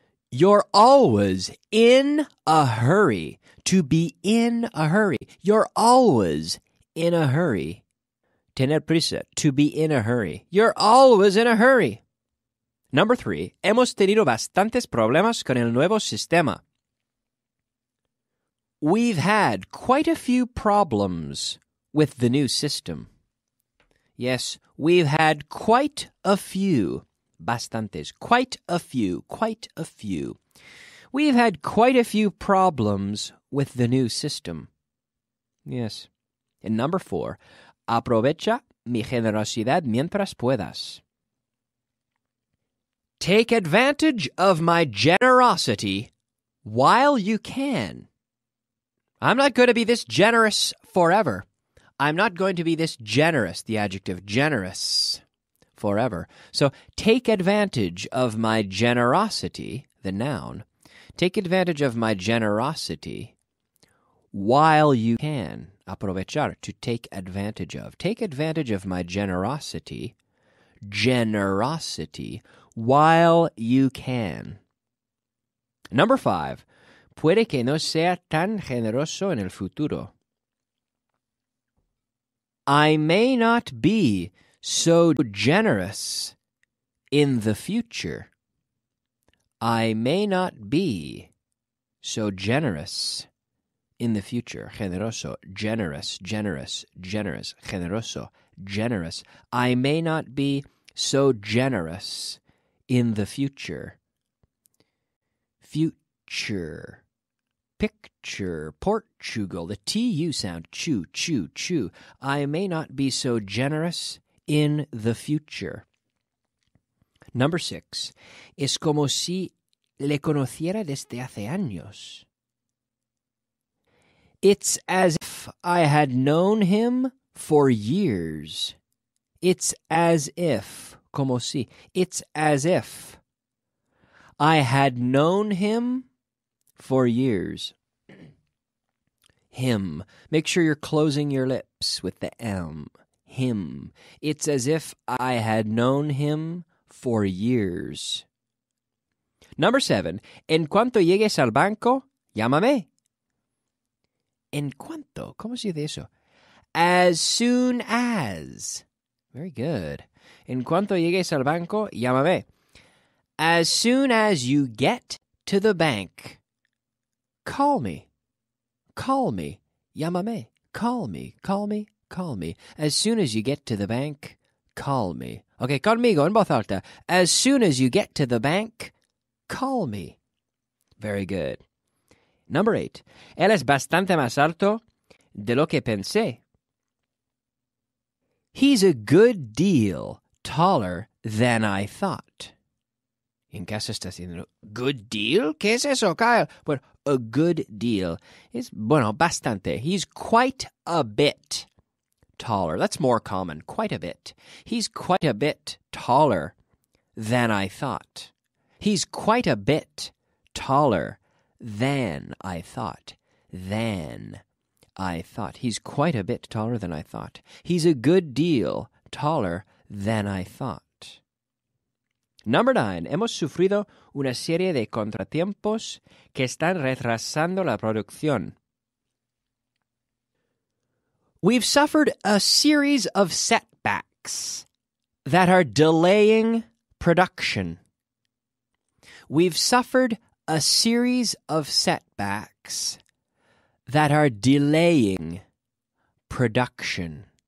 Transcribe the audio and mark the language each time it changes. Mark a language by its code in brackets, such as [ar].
[en] You're always in a hurry. To be in a hurry. You're always in a hurry. [es] Tener prisa. [en] To be in a hurry. You're always in a hurry. Number 3. [es] Hemos tenido bastantes problemas con el nuevo sistema. [en] We've had quite a few problems with the new system. Yes, we've had quite a few. Bastantes. Quite a few. Quite a few. We've had quite a few problems with the new system. Yes. And number 4, [es] aprovecha mi generosidad mientras puedas. [en] Take advantage of my generosity while you can. I'm not going to be this generous forever. I'm not going to be this generous, the adjective generous, forever. So take advantage of my generosity, the noun. Take advantage of my generosity while you can. Aprovechar, to take advantage of. Take advantage of my generosity, generosity, while you can. Number 5. [es] Puede que no sea tan generoso en el futuro. [en] I may not be so generous in the future. I may not be so generous in the future. Generoso, generous, generous, generous. Generoso, generous. I may not be so generous in the future. Future. picture, Portugal, the T-U sound, chew, chew, chew. I may not be so generous in the future. Number six, [es] es como si le conociera desde hace años. [en] It's as if I had known him for years. It's as if, [es] como si, [en] it's as if I had known him for years. Him. Make sure you're closing your lips with the M. Him. It's as if I had known him for years. Number seven. [es] En cuanto llegues al banco, llámame. En cuanto. ¿Cómo se dice eso? [en] As soon as. Very good. [es] En cuanto llegues al banco, llámame. [en] As soon as you get to the bank, call me. Call me. Llámame. Call me. Call me. Call me. As soon as you get to the bank, call me. [es] Okay, conmigo, en voz alta. [en] As soon as you get to the bank, call me. Very good. Number eight. [es] Él es bastante más alto de lo que pensé. [en] He's a good deal taller than I thought. [es] ¿En qué se está haciendo? [en] ¿Good deal? [es] ¿Qué es eso, Kyle? Bueno, [en] a good deal. [es] Es, bueno, bastante. [en] He's quite a bit taller. That's more common. Quite a bit. He's quite a bit taller than I thought. He's quite a bit taller than I thought. Than I thought. He's quite a bit taller than I thought. He's a good deal taller than I thought. [es] Number nine, hemos sufrido una serie de contratiempos que están retrasando la producción. [en] We've suffered a series of setbacks that are delaying production. We've suffered a series of setbacks that are delaying production.